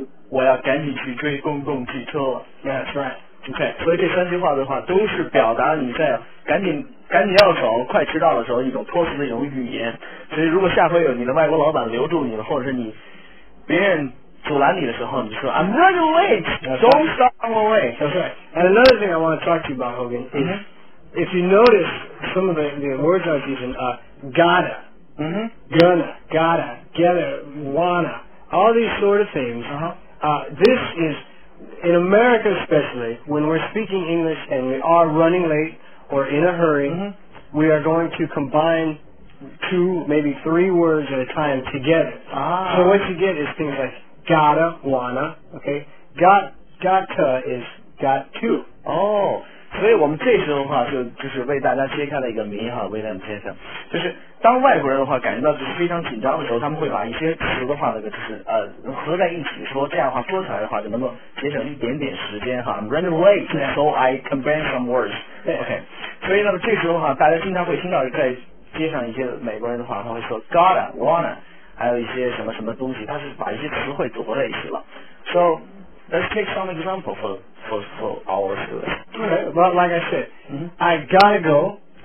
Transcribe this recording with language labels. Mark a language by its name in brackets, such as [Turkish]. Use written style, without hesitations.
[Chinese] 我要赶紧去追公共汽车了。 [English] That's right. Okay. [Chinese] 所以这三句话的话都是表达你在赶紧要走快迟到的时候一种脱俗的一种语言。所以如果下回有你的外国老板留住你了，或者是你别人阻拦你的时候，你说 [English] I'm running late. Don't stop on my way. That's right. And another thing I want to talk to you about, Hogan, is if you notice some of the words I'm using are gotta, gonna, gotta, getta, wanna, all these sort of things. This is in America, especially when we're speaking English and we are running late or in a hurry. We are going to combine two, maybe three words at a time together. So what you get is things like. Gotta, wanna, okay. Gotta is got to. [Chinese] 所以我们这时候的话就是为大家揭开了一个谜哈，威廉先生，就是当外国人的话感觉到就是非常紧张的时候，他们会把一些词的话那个就是合在一起说，这样的话说起来的话就能够节省一点点时间哈。 [English] I'm running late, so I combine some words. Okay. [Chinese] 所以那么这时候的话，大家经常会听到在街上一些美国人的话，他会说 gotta, wanna. 还有一些什么什么东西，它是把一些词汇组合在一起了。 [English] So, let's take some example for our students. Okay, well, like I said, I gotta go.